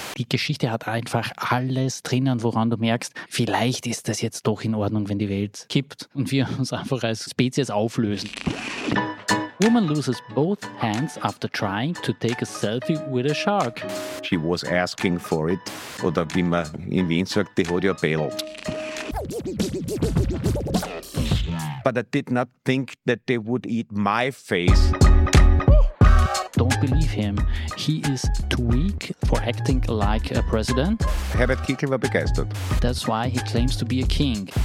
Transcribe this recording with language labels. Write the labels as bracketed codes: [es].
[de] Die Geschichte hat einfach alles drinnen, woran du merkst, vielleicht ist das jetzt doch in Ordnung, wenn die Welt kippt und wir uns einfach als Spezies auflösen. [en] Woman loses both hands after trying to take a selfie with a shark. She was asking for it. [de] Oder wie man in Wien sagt, die hat ja Bell. [en] But I did not think that they would eat my face. Don't believe him. He is too weak for acting like a president. [de] Herbert Kickl war begeistert. [en] That's why he claims to be a king.